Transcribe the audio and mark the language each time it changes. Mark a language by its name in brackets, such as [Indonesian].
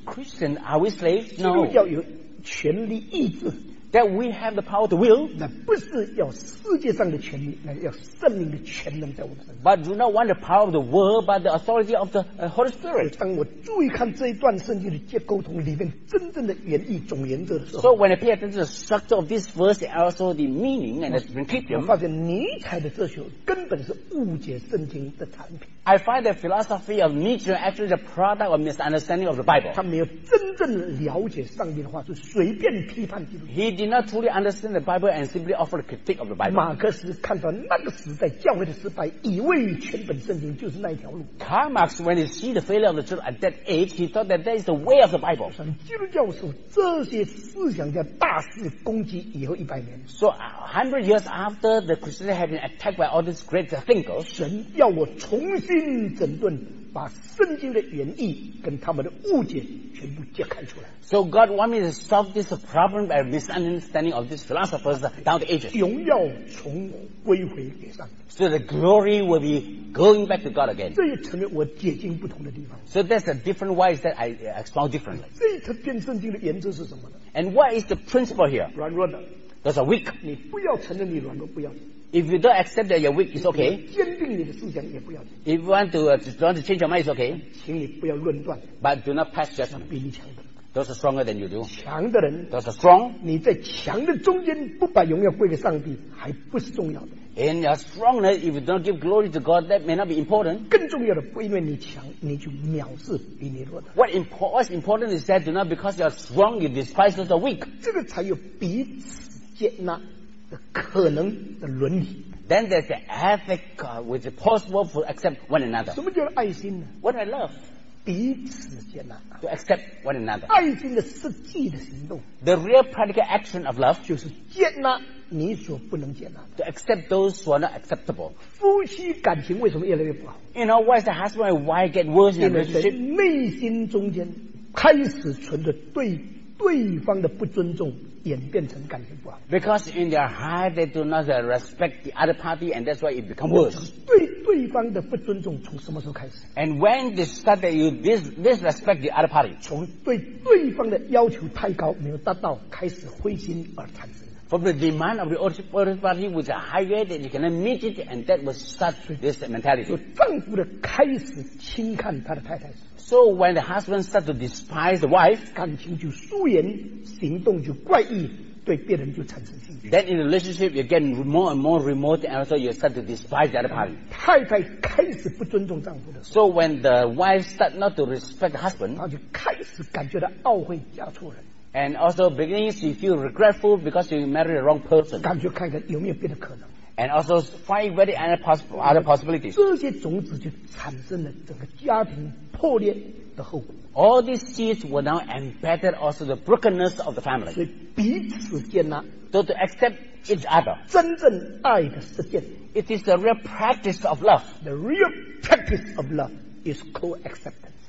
[English] Christian, are we slaves? No. [Chinese] 基督教有权利意志。 [English] That we have the power to will. [Chinese] 那不是要世界上的权利，那要圣灵的权能在我们身上。 [English] But do not want the power of the world, but the authority of the Holy Spirit. [Chinese] 当我注意看这一段圣经的结构图里面真正的原意总原则的时候 [English] ，So when I pay attention to the structure of this verse and also the meaning and the principle, [Chinese] 我发现尼采的哲学根本是误解圣经的产品。 [English] I find the philosophy of Nietzsche actually the product of misunderstanding of the Bible. [Chinese] 他没有真正了解上帝的话，是随便批判基督。 [English] He did not truly understand the Bible and simply offered a critique of the Bible. [Chinese] 马克思看到那个时代教会的失败，以为全本圣经就是那一条路。 [English] Karl Marx, when he see the failure of the church at that age, he thought that that is the way of the Bible. [Chinese] 像基督教授这些思想家大肆攻击以后一百年。 [English] So, 100 years after the Christianity had been attacked by all these great thinkers, [Chinese] 神要我重新整顿。把圣经的原意跟他们的误解全部揭开出来。 [English] So God wants me to solve this problem by misunderstanding of these philosophers down the ages. [Chinese] 荣耀重归回给上帝。 [English] So the glory will be going back to God again. [Chinese] 这也成为我解经不同的地方。 [English] So that's a different way that I explore differently. [Chinese] 这一层变圣经的原则是什么呢 [English] ？And what is the principle here? [Chinese] 软弱的。 [English] That's a weak. [Chinese] 你不要承认你软弱，不要。 [English] If you don't accept that you're weak, it's okay. [Chinese] 坚定你的思想也不要紧。 [English] If you want to change your mind, it's okay. [Chinese] 请你不要论断。 [English] But do not pass judgment. [Chinese] 比你强的。 [English] Those are stronger than you do. [Chinese] 强的人。 [English] Those are strong. [Chinese] 你在强的中间不把荣耀归给上帝，还不是重要的。 [English] In your strongness, if you don't give glory to God, that may not be important. [Chinese] 更重要的不因为你强，你就藐视比你弱的。 [English] What's important is that do not because you're strong, you despise those are weak. [Chinese] 这个才有彼此接纳。可能的伦理 [English] Then there's the ethic with the possible to accept one another. [Chinese] 什么叫爱心呢? [English] What I love? [Chinese] 彼此接纳 [English] to accept one another. [Chinese] 爱心的实际的行动 [English] the real practical action of love [Chinese] 就是接纳你所不能接纳的 [English] to accept those who are not acceptable. [Chinese] 夫妻感情为什么越来越不好 [English] You know, why is the husband and wife get worse in the relationship? [Chinese] 内心中间开始存着对对方的不尊重演变成感情不好 [English] Because in their heart they do not respect the other party and that's why it becomes worse. [Chinese] 对对方的不尊重从什么时候开始 [English] And when they start that you disrespect the other party. [Chinese] 从对对方的要求太高没有达到开始灰心而产生 [English] From the demand of the other party with a high rate that you cannot meet it and that will start this mentality. [Chinese] 就丈夫的开始轻看他的太太 [English] So when the husband start to despise the wife. [Chinese] 感情就疏远行动就怪异对别人就产生兴趣 [English] Then in the relationship you get more and more remote and also you start to despise the other party. [Chinese] 太太开始不尊重丈夫的 [English] So when the wife start not to respect the husband. [Chinese] 她就开始感觉到懊悔嫁错人 [English] And also beginning to feel regretful because you married the wrong person. [Chinese] 感觉看看有没有别的可能。 [English] And also find very other possibilities. [Chinese] 这些种子就产生了整个家庭破裂的后果。 [English] All these seeds were now embedded also the brokenness of the family. [Chinese] 所以彼此接纳。 [English] So to accept each other. [Chinese] 真正爱的实践。 [English] It is the real practice of love. The real practice of love is co-acceptance.